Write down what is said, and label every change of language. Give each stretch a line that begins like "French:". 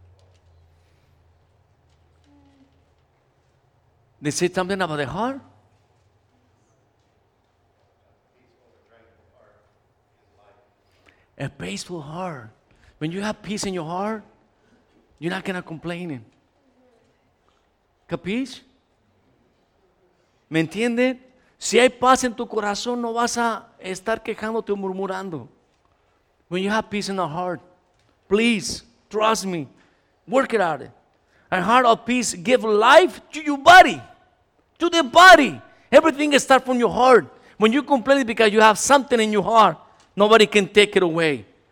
English: to the bones. They say something about the heart? A peaceful heart. When you have peace in your heart, you're not going to complain.
Spanish: Capiche? ¿Me entienden? Si hay paz en tu corazón, no vas a estar quejándote o murmurando.
English: When you have peace in our heart, please, trust me, work it out. A heart of peace gives life to your body. To the body. Everything starts from your heart. When you complain because you have something in your heart, nobody can take it away.